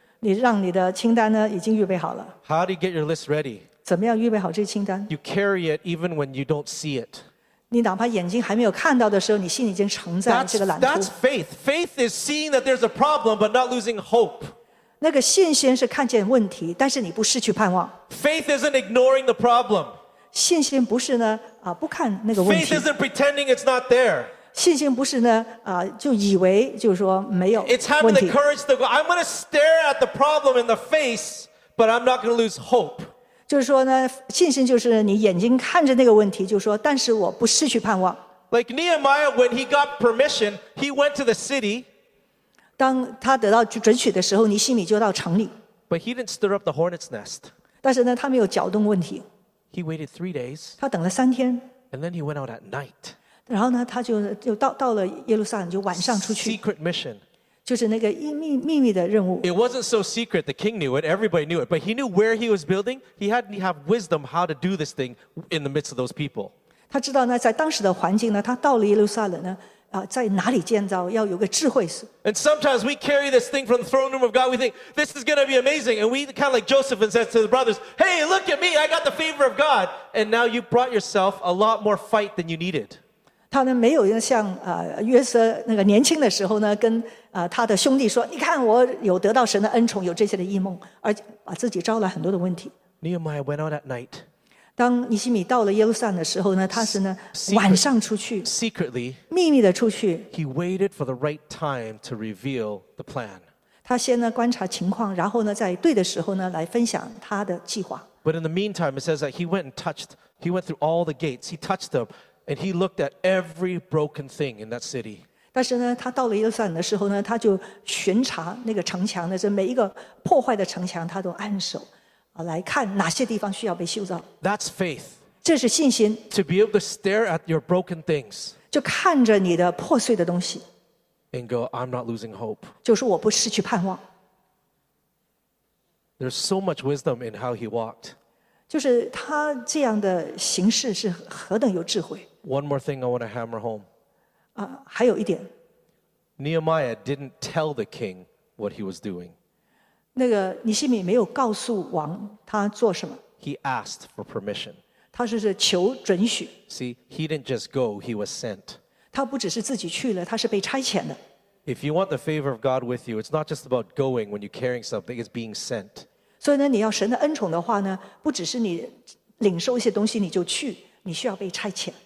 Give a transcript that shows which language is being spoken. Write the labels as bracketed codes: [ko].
[zh] 你让你的清单呢已经预备好了。 [en] How do you get your list ready? [zh] 怎么样预备好这个清单 [en] ？You carry it even when you don't see it. [zh] 你哪怕眼睛还没有看到的时候，你心里已经承载这个蓝图。 [en] That's faith. Faith is seeing that there's a problem but not losing hope. [zh] 那个信心是看见问题，但是你不失去盼望。 [en] Faith isn't ignoring the problem. [zh] 信心不是呢啊不看那个问题。 [en] Faith isn't pretending it's not there. [zh] 信心不是呢、就以为就是说没有问题。 [en] It's having the courage to go. I'm going to stare at the problem in the face, but I'm not going to lose hope. [zh] 就是说呢，信心就是你眼睛看着那个问题，就说，但是我不失去盼望。 [en] Like Nehemiah, when he got permission, he went to the city. [zh] 当他得到准许的时候，尼希米就到城里。 [en] But he didn't stir up the hornet's nest. [zh] 但是呢，他没有搅动问题。 [en] He waited 3 days. [zh] 他等了三天。 [en] And then he went out at night. [zh] 然后呢，他就到了耶路撒冷，就晚上出去。 [en] Secret mission， [zh] 就是那个秘密的任务。 [en] It wasn't so secret. The king knew it. Everybody knew it. But he knew where he was building. He had to have wisdom how to do this thing in the midst of those people. [zh] 他知道呢，在当时的环境呢，他到了耶路撒冷呢，在哪里建造，要有个智慧。 [en] And sometimes we carry this thing from the throne room of God. We think this is going to be amazing, and we kind of like Joseph and says to the brothers, "Hey, look at me! I got the favor of God." And now you brought yourself a lot more fight than you needed. [zh] 他呢没有像约瑟那个年轻的时候呢，跟他的兄弟说：“你看我有得到神的恩宠，有这些的异梦，而把自己招了很多的问题。” [en] Nehemiah went out at night. [zh] 当尼希米到了耶路撒冷的时候呢，他是呢 晚上出去 [en] ，secretly [zh] 秘密的出去。 [en] He waited for the right time to reveal the plan. [zh] 他先呢观察情况，然后呢在对的时候呢来分享他的计划。 [en] But in the meantime, it says that he went and touched. He went through all the gates. He touched them. And he looked at every broken thing in that city. [zh] 但是呢，他到了耶路撒冷的时候呢，他就巡查那个城墙的这每一个破坏的城墙，他都按手来看哪些地方需要被修造。 [en] That's faith. [zh] 这是信心。 [en] To be able to stare at your broken things. [zh] 就看着你的破碎的东西。 [en] And go, I'm not losing hope. [zh] 就是我不失去盼望。 [en] There's so much wisdom in how he walked. [zh] 就是他这样的行事是何等有智慧。 [en] One more thing I want to hammer home. [zh] 还有一点。 [en] Nehemiah didn't tell the king what he was doing. [zh] 那个尼希米没有告诉王他做什么。 [en] He asked for permission. [zh] 他是求准许。 [en] See, he didn't just go, he was sent. [zh] 他不只是自己去了，他是被差遣的。 [en] If you want the favor of God with you, it's not just about going when you're carrying something, it's being sent. [zh] 所以呢，你要神的恩宠的话呢，不只是你领受一些东西你就去，你需要被差遣。